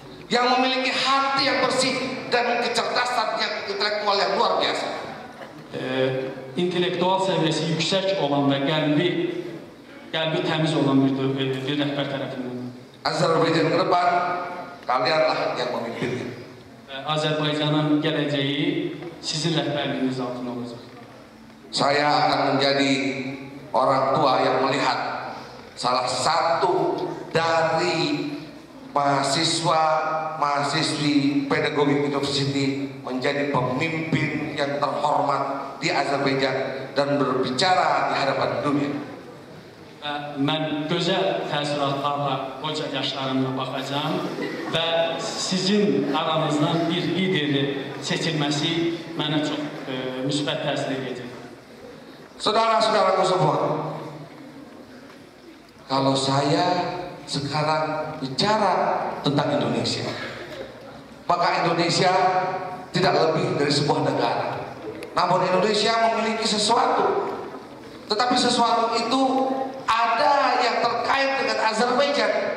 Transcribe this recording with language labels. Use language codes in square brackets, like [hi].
[id] Yang memiliki hati yang bersih dan kecerdasan yang intelektual yang luar biasa. [tr] İntelektual seviyesi yüksek olan ve kalbi temiz olan bir rehber tarafından. [id] Azerbaijan ke depan, kalianlah yang memimpinnya. [tr] Azerbaycan'ın geleceği sizin rehberliğiniz altında olacak. [id] Saya akan menjadi orang tua yang melihat salah satu dari mahasiswa-mahasiswi pedagogi universiti menjadi pemimpin yang terhormat di Azerbaijan dan berbicara di hadapan dunia. [az] mən gözəl təsiratlarla qoca yaşlarımla baxacağım və sizin aranızdan bir lideri seçilməsi mənə çox müsbət təsir edəcək. [id] Saudara-saudara, kalau saya sekarang bicara tentang Indonesia, maka Indonesia tidak lebih dari sebuah negara. Namun Indonesia memiliki sesuatu, tetapi sesuatu itu ada yang terkait dengan Azerbaijan.